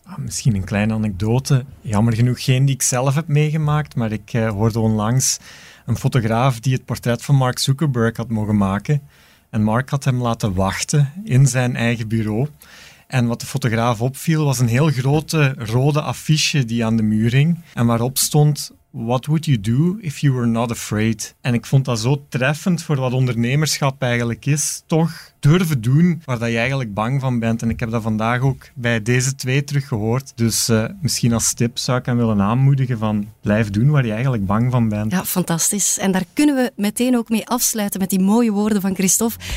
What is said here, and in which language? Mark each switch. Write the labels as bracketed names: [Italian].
[Dutch] Misschien een kleine anekdote. Jammer genoeg geen die ik zelf heb meegemaakt, maar ik hoorde onlangs een fotograaf die het portret van Mark Zuckerberg had mogen maken. En Mark had hem laten wachten in zijn eigen bureau. En wat de fotograaf opviel, was een heel grote rode affiche die aan de muur hing. En waarop stond, [English] what would you do if you were not afraid? [Dutch] En ik vond dat zo treffend voor wat ondernemerschap eigenlijk is. Toch durven doen waar je eigenlijk bang van bent. En ik heb dat vandaag ook bij deze twee teruggehoord. Dus misschien als tip zou ik hem willen aanmoedigen van blijf doen waar je eigenlijk bang van bent. Ja, fantastisch. En daar kunnen we meteen ook mee afsluiten met die mooie woorden van Christophe.